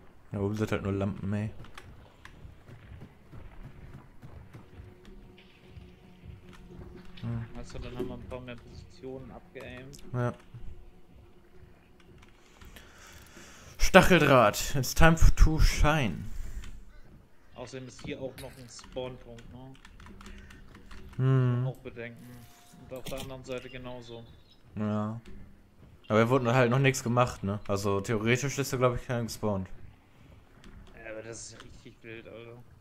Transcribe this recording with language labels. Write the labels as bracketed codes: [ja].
[de] Da oben sind halt nur Lampen, ey. Also dann haben wir ein paar mehr Positionen abgeaimt. Ja. [en] Stacheldraht, it's time to shine. [de] Außerdem ist hier auch noch ein Spawnpunkt, ne? Auch bedenken. Und auf der anderen Seite genauso. Ja. Aber hier wurde halt noch nichts gemacht, ne? Also theoretisch ist da, glaube ich, keiner gespawnt. Ja, aber das ist richtig wild, Alter.